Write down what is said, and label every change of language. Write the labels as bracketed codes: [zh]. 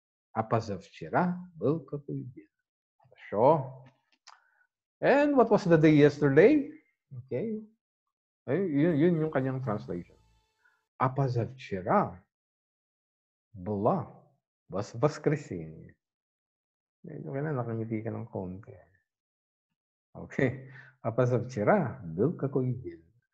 [ru] А позавчера был какой день? Хорошо. [en] And what was the day yesterday? Okay. [tl] Ay, yun yung kanyang translation. [ru] А позавчера была воскресенье. [tl] Ngayon na nakangiti ka ng konti. [en] Okay. [ru] А позавчера был какой день?